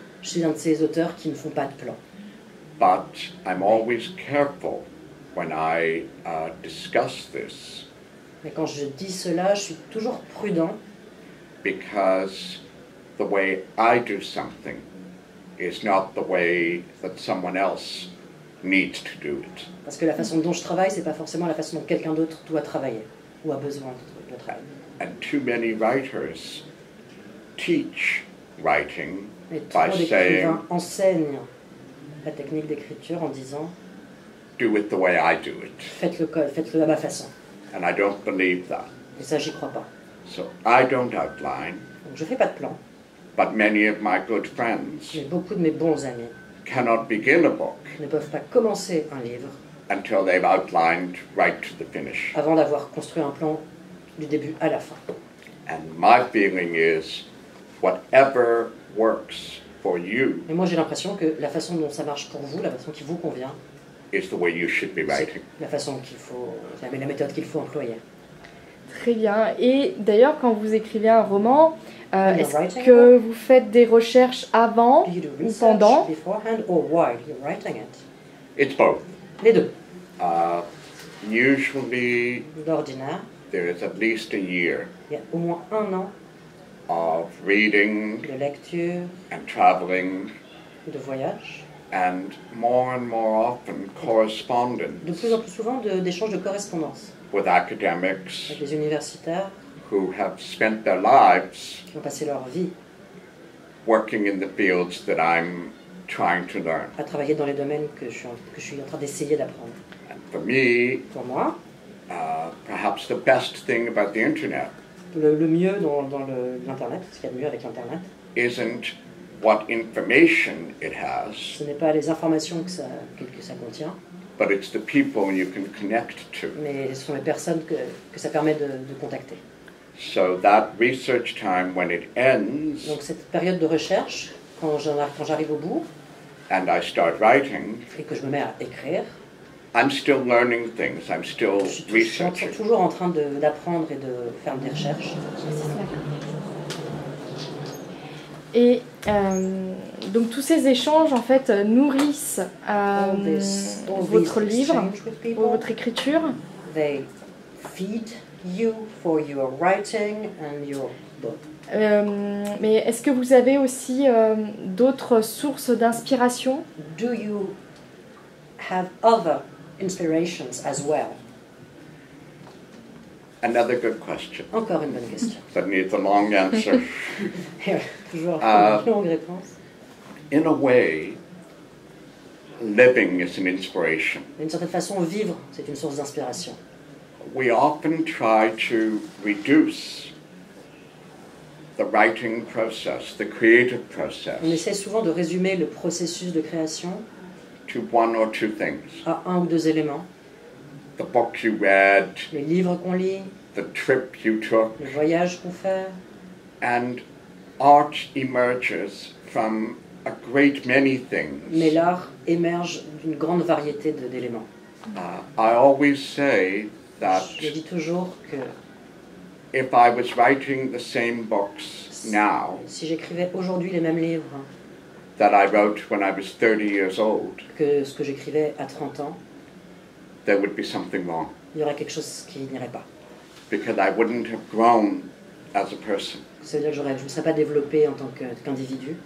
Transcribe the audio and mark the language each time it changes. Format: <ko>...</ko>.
<fr>Je suis un de ces auteurs qui ne font pas de plan.</fr> <en>But I'm always careful when I discuss this.</en> <fr>Mais quand je dis cela, je suis toujours prudent.</fr> <en>Because the way I do something is not the way that someone else needs to do it.</en> <fr>Parce que la façon dont je travaille, c'est pas forcément la façon dont quelqu'un d'autre doit travailler ou a besoin de travailler.</fr> <en>And too many writers teach writing by saying.</en> <fr>Et trop d'écrivains enseignent la technique d'écriture en disant.</fr> <en>Do it the way I do it.</en> <fr>Faites-le à ma façon.</fr> <en>And I don't believe that.</en> <fr>Et ça, j'y crois pas.</fr> <en>So I don't outline.</en> <fr>Donc je fais pas de plan.</fr> <en>But many of my good friends.</en> <fr>Mais beaucoup de mes bons amis.</fr> <en>Cannot begin a book.</en> <fr>Ne peuvent pas commencer un livre.</fr> <en>Until they've outlined right to the finish.</en> <fr>Avant d'avoir construit un plan du début à la fin.</fr> <en>And my feeling is, whatever works for you.</en> <fr>Et moi j'ai l'impression que la façon dont ça marche pour vous, la façon qui vous convient.</fr> <en>Is the way you should be writing.</en> <fr>La façon qu'il faut, la méthode qu'il faut employer. Très bien. Et d'ailleurs, quand vous écrivez un roman, est-ce que vous faites des recherches avant</fr> <en>do you do</en> <fr>ou pendant?</fr> <en>Beforehand or while you're writing it? It's both.</en> <fr>Les deux.</fr> <en>Usually,</en> <fr>d'ordinaire,</fr> <en>there is at least a year.</en> <fr>Il y a au moins un an.</fr> <en>Of reading.</en> <fr>De lecture.</fr> <en>And traveling.</en> <fr>De voyage.</fr> <en>And more often, correspondence.</en> <fr>De plus en plus souvent, d'échanges de correspondance.</fr> <en>With academics.</en> <fr>Avec des universitaires.</fr> <en>who have spent their lives</en> <fr>qui ont passé leur vie</fr> <en>working in the fields that I'm trying to learn.</en> <fr>À travailler dans les domaines que je suis en train d'essayer d'apprendre.</fr> <en>And for me,</en> <fr>pour moi,</fr> <en>perhaps the best thing about the internet,</en> <fr>le mieux dans l'internet, ce qu'il y a de mieux avec l'internet,</fr> <en>isn't what information it has.</en> <fr>Ce n'est pas les informations que ça contient.</fr> <en>But it's the people you can connect to.</en> <fr>Mais ce sont les personnes que ça permet de contacter.</fr> <en>So that research time, when it ends,</en> <fr>donc cette période de recherche, quand j'arrive au bout,</fr> <en>and I start writing,</en> <fr>et que je me mets à écrire,</fr> <en>I'm still learning things. I'm still researching.</en> <fr>Je suis toujours en train d'apprendre et de faire des recherches. Et donc tous ces échanges en fait nourrissent votre livre ou votre écriture.</fr> <en>They feed you for your writing and your book.</en> <fr>Mais est-ce que vous avez aussi d'autres sources d'inspiration?</fr> <en>Do you have other inspirations as well? Another good question.</en> <fr>Encore une bonne question.</fr> <en>But needs a long answer.</en> <fr>Toujours une longue réponse.</fr> <en>In a way, living is an inspiration.</en> <fr>D'une certaine façon, vivre, c'est une source d'inspiration.</fr> <en>We often try to reduce the writing process, the creative process.</en> <fr>On essaie souvent de résumer le processus de création</fr> <en>to one or two things.</en> <fr>À un ou deux éléments.</fr> <en>The book you read,</en> <fr>le livre qu'on lit,</fr> <en>the trip you took,</en> <fr>le voyage qu'on fait,</fr> <en>and art emerges from a great many things.</en> <fr>Mais l'art émerge d'une grande variété d'éléments.</fr> <en>I always say that</en> <fr>je dis toujours que</fr> <en>if I was writing the same books now,</en> <fr>si j'écrivais aujourd'hui les mêmes livres</fr> <en>that I wrote when I was 30 years old,</en> <fr>que ce que j'écrivais à 30 ans,</fr> <en>there would be something wrong.</en> <fr>Il y aurait quelque chose qui n'irait pas.</fr> <en>Because I wouldn't have grown as a person.</en> <fr>C'est-à-dire que je ne me serais pas développé en tant qu'individu.</fr>